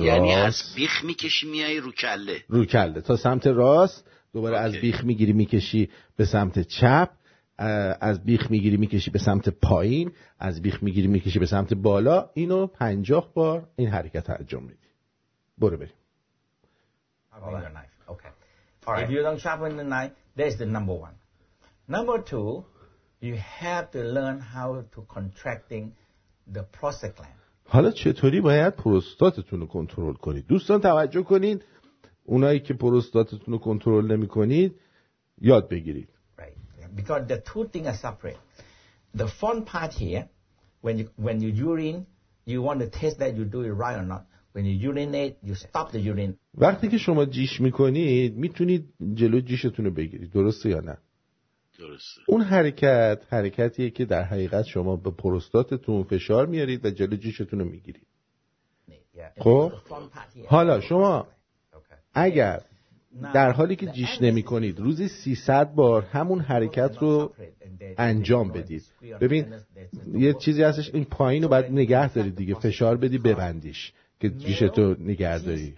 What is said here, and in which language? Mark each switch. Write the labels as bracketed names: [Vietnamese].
[Persian] یعنی از بیخ میکشی میای رو کله، رو کله تا سمت راست، دوباره از بیخ میگیری میکشی به سمت چپ، از بیخ میگیری میکشی به سمت پایین، از بیخ میگیری میکشی به سمت بالا. اینو 50 بار این حرکت انجام میدی. برو بریم. [English] Okay. All right. If you don't sharpen the knife, that's the number one. Number two, you have to learn how to contracting the prostate gland. [Persian] حالا چطوری باید پروستاتتون رو کنترل کنید؟ دوستان توجه کنید، اونایی که پروستاتتون رو کنترل نمی کنید یاد بگیرید. [English] Right. Because the two things are separate. The front part here, when you urine, you want to test that you do it right or not. When you urinate, you stop the urine. [Persian] وقتی که شما جیش میکنید میتونید جلو جیشتون رو بگیرید، درسته یا نه؟ درسته. اون حرکت حرکتیه که در حقیقت شما به پروستاتتون فشار میارید و جلو جیشتون رو میگیرید. خب حالا شما اگر در حالی که جیش نمی کنید روزی 300 بار همون حرکت رو انجام بدید، ببین یه چیزی هستش، این پایین رو باید نگه دارید دیگه، فشار بدی ببندیش که جیشتو نگه داری.